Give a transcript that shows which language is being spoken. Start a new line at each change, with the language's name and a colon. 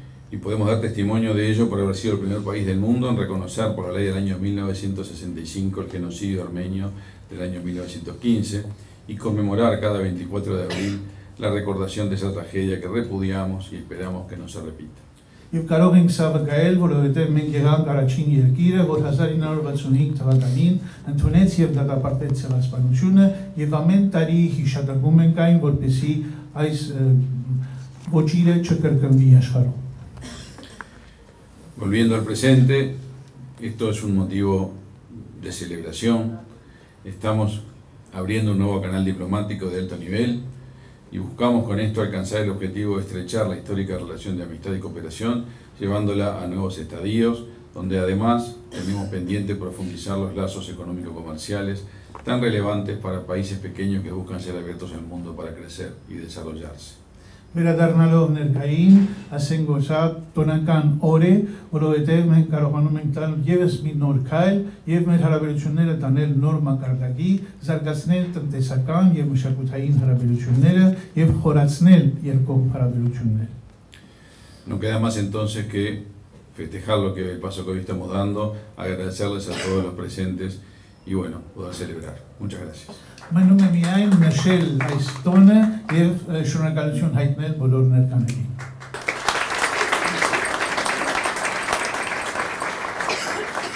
Spanish: Y podemos dar testimonio de ello por haber sido el primer país del mundo en reconocer por la ley del año 1965 el genocidio armenio del año 1915 y conmemorar cada 24 de abril la recordación de esa tragedia que repudiamos y esperamos que no se repita.
Armenian: Եվ կարող ենք ցավակել, որովհետև մենք եղանք առաջին երկիրը, որ 1965 թվականին ընդունեց եւ դատապարտեց ցեղասպանությունը, եւ ամեն տարի հիշատակում ենք այն, որպեսզի այս ոչինչը չկրկնվի աշխարհում։
Spanish: Volviendo al presente, esto es un motivo de celebración. Estamos abriendo un nuevo canal diplomático de alto nivel. Y buscamos con esto alcanzar el objetivo de estrechar la histórica relación de amistad y cooperación, llevándola a nuevos estadios, donde además tenemos pendiente profundizar los lazos económico-comerciales tan relevantes para países pequeños que buscan ser abiertos al mundo para crecer y desarrollarse.
Armenian: Մեր դառնալով ներկային, ասենք որ սա տոնական օր է, որովհետև մենք կարողանում ենք տալ եւս մի նոր քայլ եւ մեր հարաբերությունները տանել նոր մակարդակի, զարգացնել տնտեսական եւ մշակութային հարաբերությունները եւ խորացնել երկու հարաբերությունները։
Spanish: No queda más entonces que festejar lo que el paso que hoy estamos dando, agradecerles a todos los presentes y bueno, poder celebrar. Muchas gracias.
Armenian: Մենում եմ միայն նշել այս տոնը եւ շնորհակալություն հայտնել բոլոր ներկաներին։